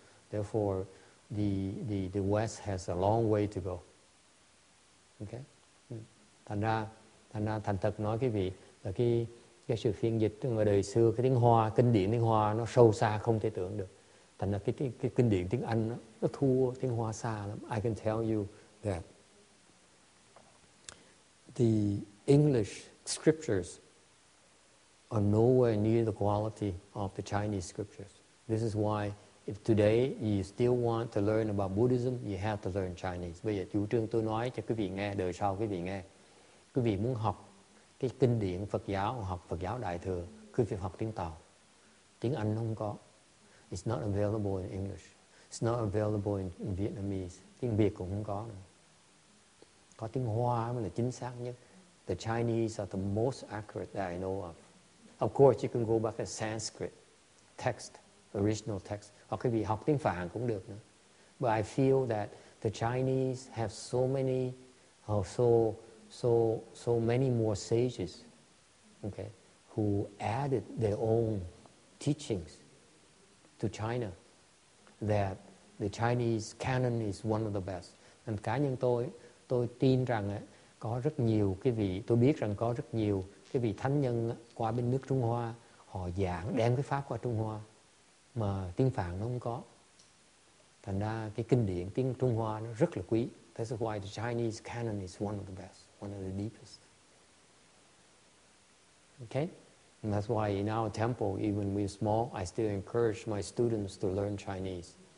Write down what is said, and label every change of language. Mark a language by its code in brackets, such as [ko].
[en] Therefore, the West has a long way to go. Okay? [vi] Thành ra thành thật nói quý vị là cái sự phiên dịch ở đời xưa, cái tiếng Hoa, kinh điển tiếng Hoa nó sâu xa không thể tưởng được. Thành ra cái kinh điển tiếng Anh nó thua tiếng Hoa xa lắm. [en] I can tell you that the English scriptures are nowhere near the quality of the Chinese scriptures. This is why if today you still want to learn about Buddhism, you have to learn Chinese. [vi] Bây giờ chủ trương tôi nói cho quý vị nghe, đời sau quý vị nghe. Quý vị muốn học cái kinh điển Phật giáo, học Phật giáo Đại Thừa, quý vị học tiếng Tàu. Tiếng Anh không có. [en] It's not available in English. It's not available in Vietnamese. [vi] Tiếng Việt cũng không có nữa. Có tiếng Hoa mới là chính xác nhất. [en] The Chinese are the most accurate that I know of. Of course, you can go back to Sanskrit text, original text. [vi] Hoặc quý vị học tiếng Phạn cũng được nữa. [en] But I feel that the Chinese have so many more sages, okay, who added their own teachings to China, that the Chinese canon is one of the best. [vi] And cá nhân tôi tin rằng có rất nhiều cái vị, tôi biết rằng có rất nhiều cái vị thánh nhân qua bên nước Trung Hoa, họ giảng đem cái pháp qua Trung Hoa mà tiếng Phạn nó không có. Thành ra cái kinh điển tiếng Trung Hoa nó rất là quý. [en] That's why the Chinese canon is one of the best, one of the deepest. Okay? And that's why in our temple, even when we're small, I still encourage my students to learn Chinese.